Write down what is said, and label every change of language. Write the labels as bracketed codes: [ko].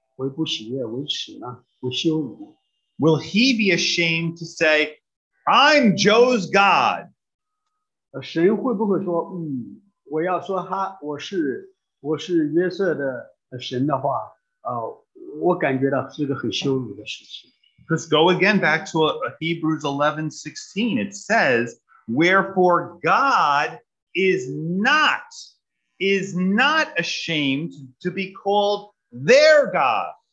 [zh] 我就会想，我说神会不会以我为不喜悦、为耻呢？为羞辱？ [en] Will He be ashamed to say, "I'm Joe's God"? [zh] 神会不会说，我要说他我是约瑟的神的话？ [en] Let's go again back to Hebrews 11:16. It says, Wherefore God is not ashamed to be called their God.